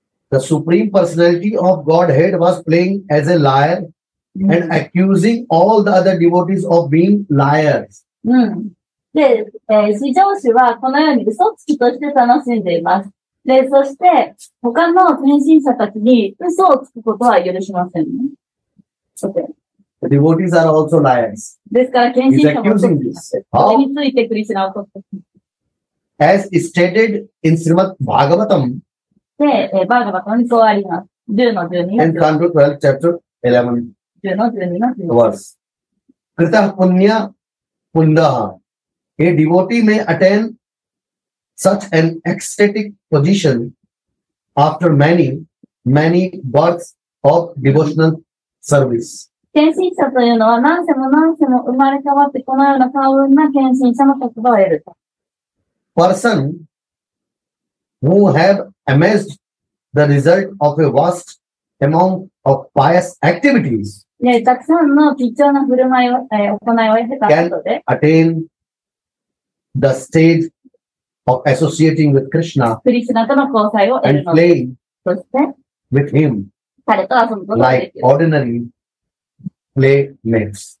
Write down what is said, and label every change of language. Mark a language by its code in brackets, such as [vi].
[en] The Supreme Personality of Godhead was playing as a liar and accusing all the other devotees of being liars. [ja] で、至上主はこのように嘘つきとして楽しんでいます。で、そして、他の転身者たちに嘘をつくことは許しませんね。 [en] The devotees are also liars. [ja] ですから、転身者 [en] も。He's accusing this. [ja] それについてクリシュナを取って [en] ます。As stated in Srimad Bhagavatam. [ja] で、バーガバトにそうあります。 10の12 [en] の。And Canto 12, Chapter 11. [ja] 10の12の。 [en] Verse. Krita Punya Pundaha. A devotee may attainSuch an ecstatic position after many, many births of devotional service. [ja] 献身者というのは何世も何世も生まれ変わってこのような幸運な献身者の立場を得ると。 [en] Person who have amassed the result of a vast amount of pious activities. [ja] ね、たくさんの貴重な振る舞いを、行いを得たことで。 [en] Can attain the stageOf associating with Krishna, and playing with him, like ordinary playmates.